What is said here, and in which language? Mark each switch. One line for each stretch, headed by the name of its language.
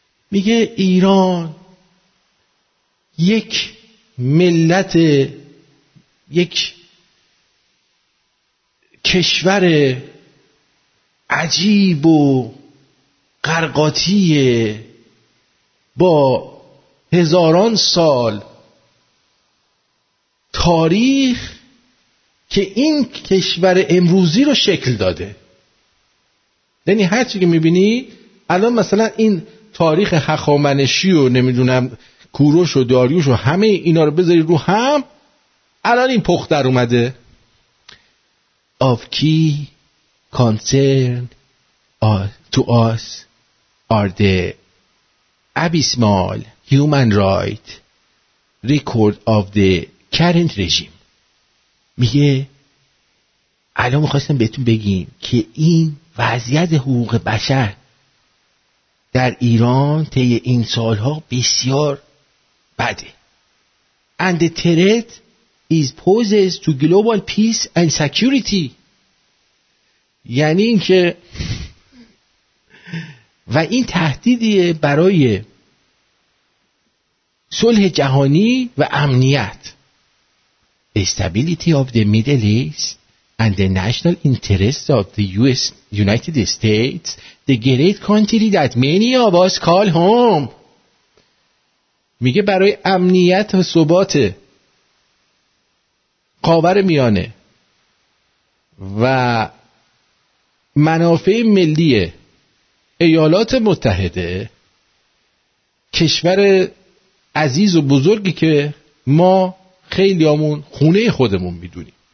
Persian: میگه ایران یک ملت یک کشور عجیب و غرقاتیه با هزاران سال تاریخ که این کشور امروزی رو شکل داده. یعنی هر چی که میبینی الان مثلا این تاریخ هخامنشی و نمیدونم کوروش و داریوش و همه اینا رو بذاری رو هم الان این پخت در اومده.
English: Of key concern to us are the abysmal human right record of the current regime.
Persian: میگه الان میخواستم بهتون بگیم که این وضعیت حقوق بشر در ایران طی این سالها بسیار بده.
English: And the threat is poses to global peace and security.
Persian: یعنی این که و این تهدیدیه برای صلح جهانی و امنیت.
English: The stability of the Middle East and the national interests of the US, United States, the great country that many of us call home.
Persian: میگه برای امنیت و ثبات خاورمیانه و منافع ملی ایالات متحده، کشور عزیز و بزرگی که ما خیلی همون خونه خودمون میدونیم.